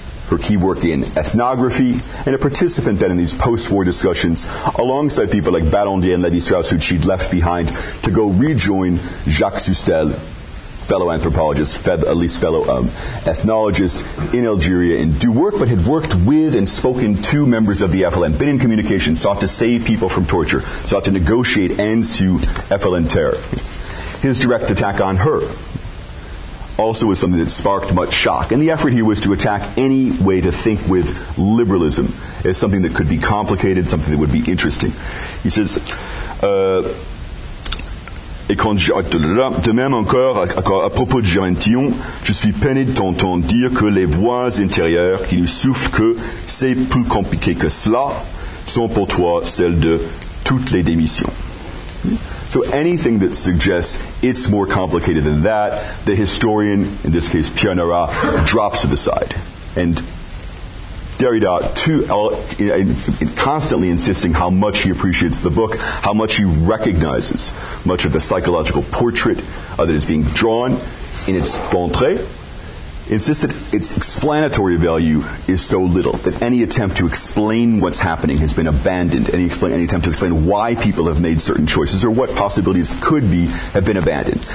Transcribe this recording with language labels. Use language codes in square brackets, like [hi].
[en] her key work in ethnography, and a participant then in these post-war discussions alongside people like Barandier and Lévi-Strauss, who she'd left behind to go rejoin Jacques Soustelle, fellow anthropologist, fellow ethnologist in Algeria, and do work, but had worked with and spoken to members of the FLN, been in communication, sought to save people from torture, sought to negotiate ends to FLN terror. His direct attack on her also was something that sparked much shock, and the effort here was to attack any way to think with liberalism as something that could be complicated, something that would be interesting. He says, [fr] Et quand je, de même encore, à propos de Germaine Tillon, je suis peiné de t'entendre dire que les voix intérieures qui nous soufflent que c'est plus compliqué que cela sont pour toi celles de toutes les démissions. [en] So anything that suggests it's more complicated than that, the historian, in this case Pierre Nora, drops to the side. And Derrida, constantly insisting how much he appreciates the book, how much he recognizes much of the psychological portrait that is being drawn in its ventre, insists that its explanatory value is so little, that any attempt to explain what's happening has been abandoned, any attempt to explain why people have made certain choices or what possibilities could be have been abandoned.